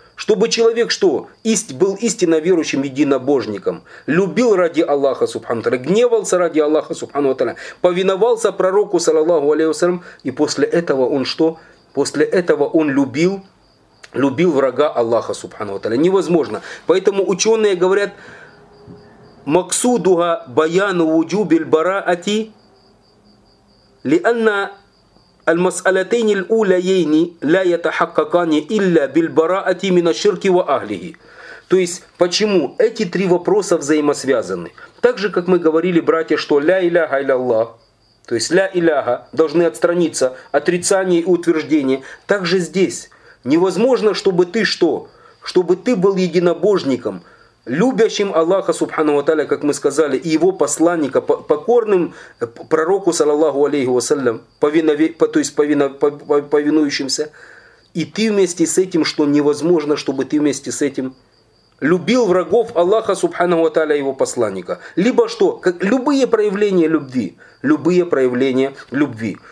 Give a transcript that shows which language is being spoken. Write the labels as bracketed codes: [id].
[ru] Чтобы человек что? Был истинно верующим единобожником, любил ради Аллаха субхану таля, гневался ради Аллаха субхану таля, повиновался пророку саллаллаху алейхи вассалям, и после этого он что? После этого он любил врага Аллаха субхану таля. Невозможно. Поэтому ученые говорят: [ar] максудуга баяну вуджубиль бараати лианна المسألتين الأوليين لا يتحققان إلا بالبراءة من الشرك وأهله. [ru] То есть, почему эти три вопроса взаимосвязаны? Так же, как мы говорили, братья, что ля иляха илля Аллах, то есть ля иляха, должны отстраниться, отрицание и утверждение. Так же здесь. Невозможно, чтобы ты что? Чтобы ты был единобожником, любящим Аллаха субхану ва таля, как мы сказали, и его посланника, покорным пророку саллаллаху алейхи вассалям, повинующимся, и ты вместе с этим, что невозможно, чтобы ты вместе с этим любил врагов Аллаха субхану ва таля и его посланника, либо что, как любые проявления любви, любые проявления любви.